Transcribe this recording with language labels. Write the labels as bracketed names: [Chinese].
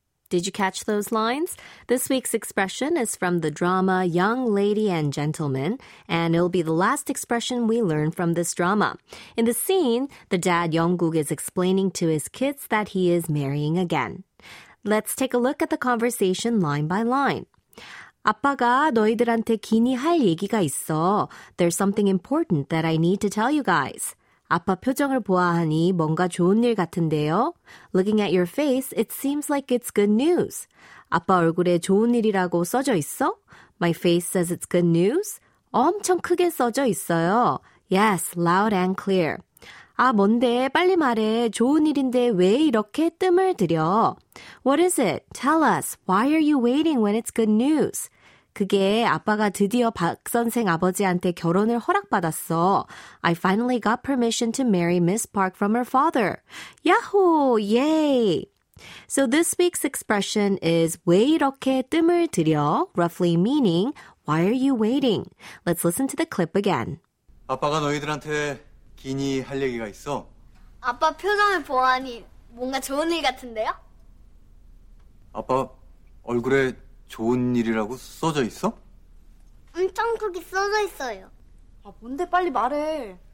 [English] Did you catch those lines? This week's expression is from the drama Young Lady and Gentleman, and it'll be the last expression we learn from this drama. In the scene, the dad, Young-guk, is explaining to his kids that he is marrying again. Let's take a look at the conversation line by line. [Korean] 아빠가 너희들한테 기니 할 얘기가 있어. [English] There's something important that I need to tell you guys. [Korean] 아빠 표정을 보아하니 뭔가 좋은 일 같은데요. [English] Looking at your face, it seems like it's good news. [Korean] 아빠 얼굴에 좋은 일이라고 써져 있어? [English] My face says it's good news? [Korean] 엄청 크게 써져 있어요. [English] Yes, loud and clear. [Korean] 아, 뭔데? 빨리 말해. 좋은 일인데 왜 이렇게 뜸을 들여? [English] What is it? Tell us. Why are you waiting when it's good news? [Korean] 그게 아빠가 드디어 박선생 아버지한테 결혼을 허락받았어. [English] I finally got permission to marry Miss Park from her father. Yahoo! Yay! So this week's expression is [Korean] 왜 이렇게 뜸을 들여? [English] Roughly meaning, why are you waiting? Let's listen to the clip again. [Korean] 아빠가 너희들한테 기니 할 얘기가 있어. 아빠 표정을 보아하니 뭔가 좋은 일 같은데요? 아빠 얼굴에 좋은 일이라고 써져 있어? 엄청 크게 써져 있어요. 아 뭔데 빨리 말해.